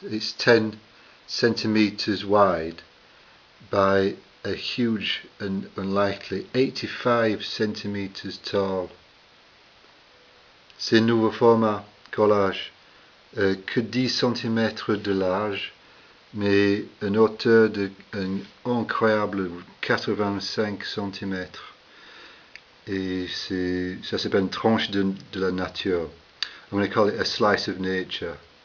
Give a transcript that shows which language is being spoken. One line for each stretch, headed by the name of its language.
English: It's 10 centimetres wide by a huge and unlikely 85 centimetres tall.
French: C'est nouveau format, collage. Que 10 centimètres de large, mais une hauteur de un incroyable 85 centimètres. Et ça s'appelle une tranche de la nature.
English: I'm going to call it a slice of nature.